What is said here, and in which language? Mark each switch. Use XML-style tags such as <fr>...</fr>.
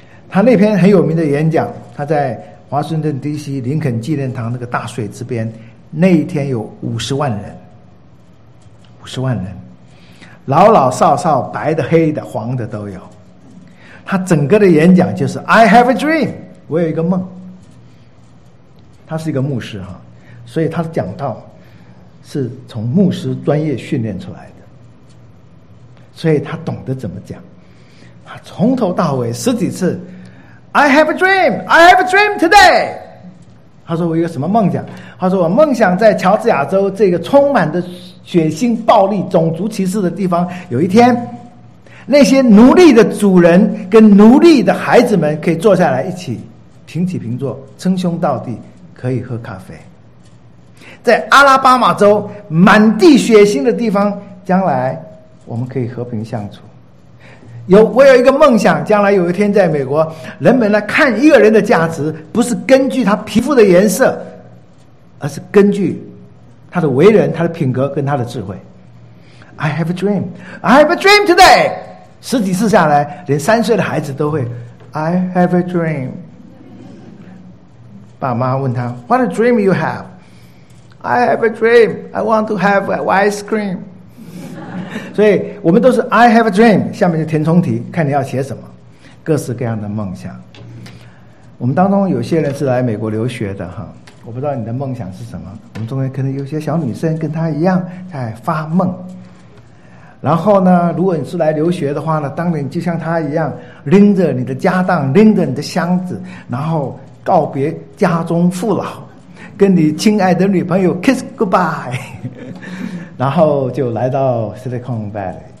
<zh>他那篇很有名的演讲，他在华盛顿 DC 林肯纪念堂那个大水之边，那一天有50万人，50万人，老老少少，白的黑的黄的都有。他整个的演讲就是</zh> <en>I have a dream，</en> <zh>我有一个梦。他是一个牧师哈，所以他讲到是从牧师专业训练出来的，所以他懂得怎么讲。他从头到尾十几次</zh> <en>I have a dream， I have a dream today。</en> <zh>他说我有什么梦想，他说我梦想在乔治亚州这个充满的血腥暴力种族歧视的地方，有一天那些奴隶的主人跟奴隶的孩子们可以坐下来一起平起平坐，称兄道弟，可以喝咖啡。在阿拉巴马州满地血腥的地方，将来我们可以和平相处。有，我有一个梦想，将来有一天在美国，人们来看一个人的价值，不是根据他皮肤的颜色，而是根据他的为人、他的品格跟他的智慧。</zh> <en>I have a dream. I have a dream today.</en> <zh>十几次下来，连三岁的孩子都会。</zh> <en>I have a dream.</en> <zh>爸妈问他</zh> <en>，What a dream you have? I have a dream. I want to have an ice cream.</en> <zh>所以我们都是</zh> <en>I have a dream.</en> <zh>下面就填充题，看你要写什么，各式各样的梦想。我们当中有些人是来美国留学的哈，我不知道你的梦想是什么。我们中间可能有些小女生跟她一样在发梦。然后呢，如果你是来留学的话呢，当你就像他一样拎着你的家当，拎着你的箱子，然后告别家中父老，跟你亲爱的女朋友</zh> <en>kiss goodbye，</en> <zh>然后就来到 Silicon Valley。</zh>